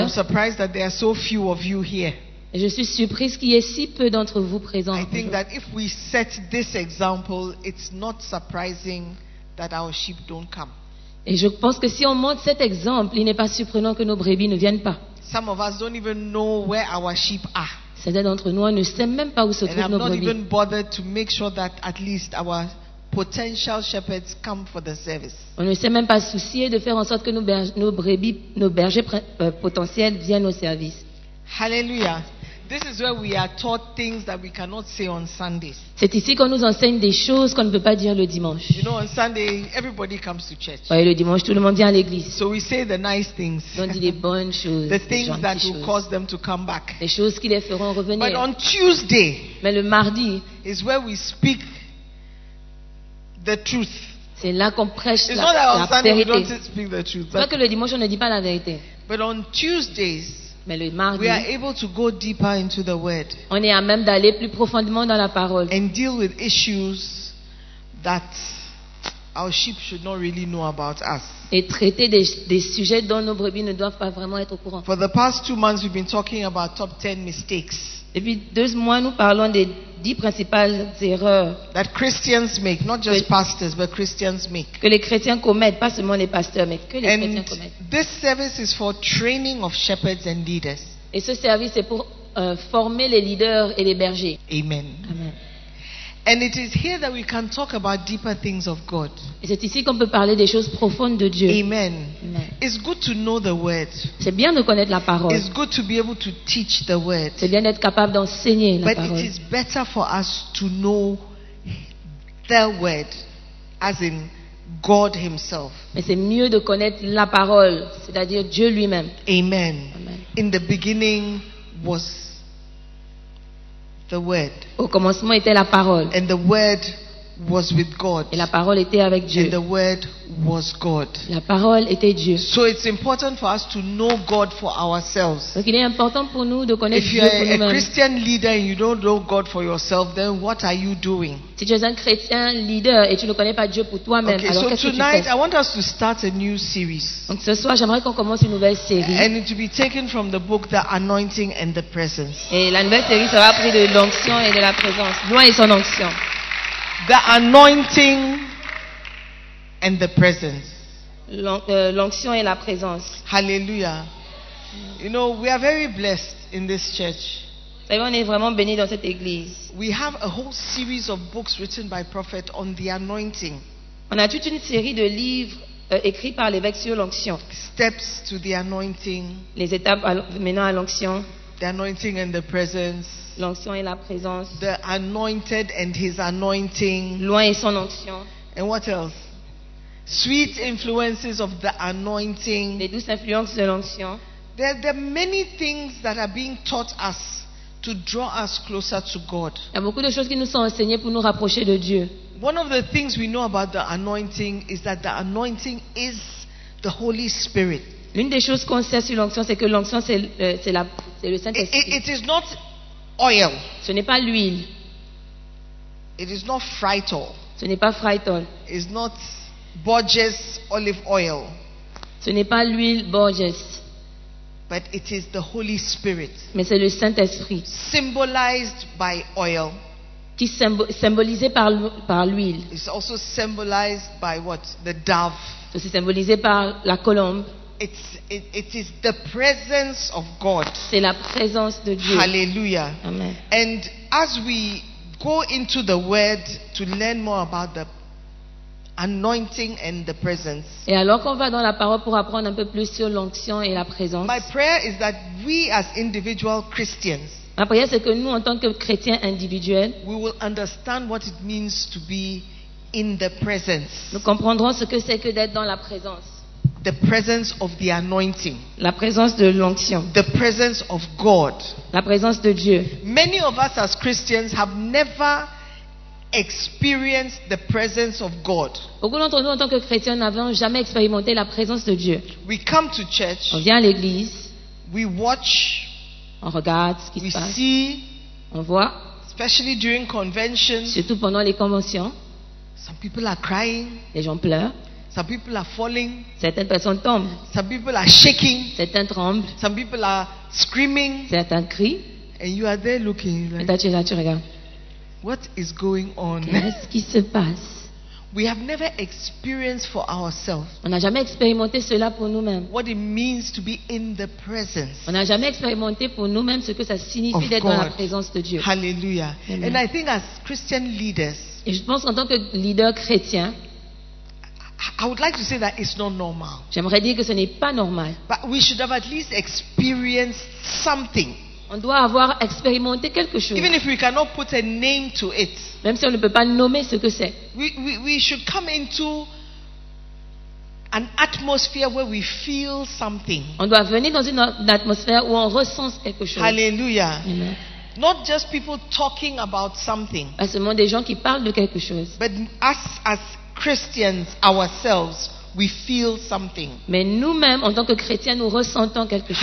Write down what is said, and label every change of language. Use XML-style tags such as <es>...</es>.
<en>I'm surprised that there are so few of you here.</en> <fr>Et je suis surprise qu'il y ait si peu d'entre vous présents.</fr> <en>I think that if we set this example, it's not surprising that our sheep don't come.</en> <fr>Et je pense que si on montre cet exemple, il n'est pas surprenant que nos brebis ne viennent pas.</fr> <en>Some of us don't even know where our sheep are.</en> <fr>Certains d'entre nous ne savent même pas où se trouvent nos brebis.</fr> <en>And I'm not even bothered to make sure that at least our potential shepherds come for the service.</en> <fr>On ne s'est même pas soucié de faire en sorte que nos brebis, nos bergers potentiels viennent au service.</fr> <en>Hallelujah. This is where we are taught things that we cannot say on Sundays.</en> <fr>C'est ici qu'on nous enseigne des choses qu'on ne peut pas dire le dimanche.</fr> <en>You know, on Sunday, everybody comes to church.</en> <fr>Ouais, le dimanche, tout le monde vient à l'église.</fr> <en>So we say the nice things.</en> <fr>On dit les bonnes choses.</fr> <en>The things that</en> <fr>choses.</fr> <en>Will cause them to come back.</en> <fr>Les choses qui les feront revenir.</fr> <en>But on Tuesday,</en> <fr>mais le mardi,</fr> <en>is where we speak the truth.</en> <fr>C'est là qu'on prêche</fr> <en>it's</en> <fr>la,</fr> <en>not that on</en> <fr>la</fr> <en>Sunday</en> <fr>vérité.</fr> <en>We don't speak the truth,</en> <fr>pas que le dimanche on ne dit pas la vérité.</fr> <en>But on Tuesdays.</en> <fr>Mais le mardi,</fr> <en>we are able to go deeper into the word.</en> <fr>On est à même d'aller plus profondément dans la parole.</fr> <en>And deal with issues that our sheep should not really know about us.</en> <fr>Et traiter des sujets dont nos brebis ne doivent pas vraiment être au courant.</fr> <en>For the past 2 months, we've been talking about top 10 mistakes.</en> <fr>Depuis 2 mois, nous parlons des 10 principales erreurs</fr> <en>that Christians make, not just pastors, but Christians make.</en> <fr>Que les chrétiens commettent, pas seulement les pasteurs, mais que les</fr> <en>and</en> <fr>chrétiens commettent.</fr> <en>This service is for training of shepherds and leaders.</en> <fr>Et ce service est pour former les leaders et les bergers.</fr> <en>Amen. Amen. And it is here that we can talk about deeper things of God.</en> <fr>Et c'est ici qu'on peut parler des choses profondes de Dieu.</fr> <en>Amen. Amen. It's good to know the word.</en> <fr>C'est bien de connaître la parole.</fr> <en>It's good to be able to teach the word.</en> <fr>C'est bien d'être capable d'enseigner la</fr> <en>but</en> <fr>parole.</fr> <en>But it is better for us to know the word, as in God himself.</en> <fr>Mais c'est mieux de connaître la parole, c'est-à-dire Dieu lui-même.</fr> <en>Amen. Amen. In the beginning was the word.</en> <fr>Au commencement était la parole.</fr> <en>And the word was with God.</en> <fr>Et la parole était avec Dieu.</fr> <en>And the word was God.</en> <fr>La parole était Dieu.</fr> <en>So it's important for us to know God for ourselves.</en> <fr>Donc il est important pour nous de connaître</fr> <en>if</en> <fr>Dieu pour nous-mêmes.</fr> <en>If you're a Christian leader and you don't know God for yourself, then what are you doing?</en> <fr>Si tu es un chrétien leader et tu ne connais pas Dieu pour toi-même,</fr> <en>okay,</en> <fr>alors</fr> <en>so</en> <fr>qu'est-ce</fr> <en>tonight,</en> <fr>que tu fais?</fr> <en>So tonight I want us to start a new series.</en> <fr>Donc ce soir j'aimerais qu'on commence une nouvelle série.</fr> <en>And it will be taken from the book The Anointing and the Presence.</en> <fr>Et la nouvelle série sera prise de l'onction et de la présence. Loin et son onction.</fr> <en>The anointing and the presence.</en> <fr>L'onction et la présence.</fr> <en>Hallelujah. You know, we are very blessed in this church.</en> <fr>On est vraiment bénis dans cette église.</fr> <en>We have a whole series of books written by prophet on the anointing.</en> <fr>On a toute une série de livres écrits par l'évêque sur l'onction.</fr> <en>Steps to the anointing.</en> <fr>Les étapes menant à l'onction.</fr> <en>The anointing and the presence.</en> <fr>L'onction et la présence.</fr> <en>The anointed and his anointing.</en> <fr>Loin et son onction.</fr> <en>And what else? Sweet influences of the anointing.</en> <fr>Les douces influences de l'onction.</fr> <en>There are many things that are being taught us to draw us closer to God.</en> <fr>Il y a beaucoup de choses qui nous sont enseignées pour nous rapprocher de Dieu.</fr> <en>One of the things we know about the anointing is that the anointing is the Holy Spirit.</en> <fr>L'une des choses qu'on sait sur l'onction, c'est que l'onction c'est le Saint-Esprit.</fr> <en>It is not oil.</en> <fr>Ce n'est pas l'huile.</fr> <en>It is not frito.</en> <fr>Ce n'est pas fritol.</fr> <en>It is not Borges olive oil.</en> <fr>Ce n'est pas l'huile Borges.</fr> <en>But it is the Holy Spirit,</en> <fr>mais c'est le Saint-Esprit,</fr> <en>symbolized by oil,</en> <fr>qui symbolisé par l'huile.</fr> <en>It's also symbolized by what? The dove.</en> <fr>C'est symbolisé par la colombe.</fr> <en>It is the presence of God.</en> <fr>C'est la présence de Dieu.</fr> <en>Hallelujah. Amen. And as we go into the Word to learn more about the anointing and the presence.</en> <fr>Et alors qu'on va dans la parole pour apprendre un peu plus sur l'onction et la présence.</fr> <en>My prayer is that we as individual Christians.</en> <fr>Ma prière c'est que nous en tant que chrétiens individuels.</fr> <en>We will understand what it means to be in the presence.</en> <fr>Nous comprendrons ce que c'est que d'être dans la présence.</fr> <en>The presence of the anointing.</en> <fr>La présence de l'onction.</fr> <en>The presence of God.</en> <fr>La présence de Dieu.</fr> <en>Many of us as Christians have never experience the presence of God.</en> <fr>Beaucoup d'entre nous en tant que chrétiens n'avons jamais expérimenté la présence de Dieu.</fr> <en>We come to church.</en> <fr>On vient à l'église.</fr> <en>We watch.</en> <fr>On regarde ce qui se passe.</fr> <en>We see.</en> <fr>On voit.</fr> <en>Especially during conventions.</en> <fr>Surtout pendant les conventions.</fr> <en>Some people are crying.</en> <fr>Les gens pleurent.</fr> <en>Some people are falling.</en> <fr>Certaines personnes tombent.</fr> <en>Some people are shaking.</en> <fr>Certains tremblent.</fr> <en>Some people are screaming.</en> <fr>Certains crient.</fr> <en>And you are there looking. Like,</en> <fr>et toi, tu es là, tu regardes.</fr> <en>What is going on?</en> <fr>Qu'est-ce qui se passe?</fr> <en>We have never experienced for ourselves.</en> <fr>On n'a jamais expérimenté cela pour nous-mêmes.</fr> <en>What it means to be in the presence.</en> <fr>On n'a jamais expérimenté pour nous-mêmes ce que ça signifie d'être dans la présence de Dieu.</fr> <en>Hallelujah. Amen. And I think as Christian leaders.</en> <fr>Et je pense en tant que leader chrétien.</fr> <en>I would like to say that it's not normal.</en> <fr>J'aimerais dire que ce n'est pas normal.</fr> <en>But we should have at least experienced something.</en> <fr>On doit avoir expérimenté quelque chose.</fr> <en>Even if we cannot put a name to it.</en> <fr>Même si on ne peut pas nommer ce que c'est.</fr> <en>We should come into an atmosphere where we feel something.</en> <fr>On doit venir dans une atmosphère où on ressent quelque chose.</fr> <en>Hallelujah. Amen. Not just people talking about something.</en> <fr>Pas seulement des gens qui parlent de quelque chose.</fr> <en>But us as Christians ourselves, we feel something.</en> <fr>Mais nous-mêmes en tant que chrétiens nous ressentons quelque chose.</fr>